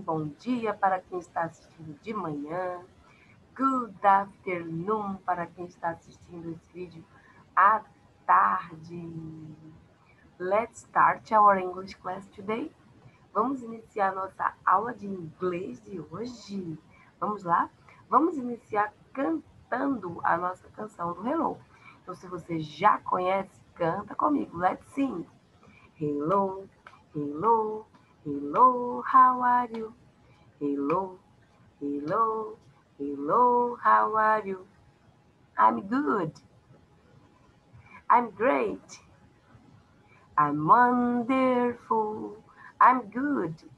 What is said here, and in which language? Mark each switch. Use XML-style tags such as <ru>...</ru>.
<pt>Bom dia para quem está assistindo de manhã.</pt> <en>Good afternoon</en> <pt>para quem está assistindo esse vídeo à tarde.</pt> <en>Let's start our English class today.</en> <pt>Vamos iniciar nossa aula de inglês de hoje. Vamos lá? Vamos iniciar cantando a nossa canção do Hello. Então, se você já conhece, canta comigo.</pt> <en>Let's sing. Hello, hello, hello, how are you? Hello, hello, hello, how are you? I'm good. I'm great. I'm wonderful. I'm good.</en>